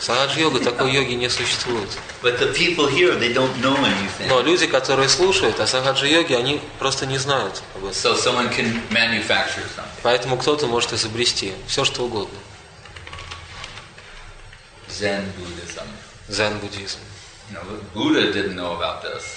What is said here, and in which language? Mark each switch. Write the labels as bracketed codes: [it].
[ru] Сахаджи-йога, такой йоги не существует. [en] But the people here, they don't know anything. [ru] Но люди, которые слушают о сахаджи-йоге, они просто не знают об этом. [en] So someone can manufacture something. [ru] Поэтому кто-то может изобрести все, что угодно. Zen-буддизм. Zen-буддизм. [en] No, Buddha didn't know about this.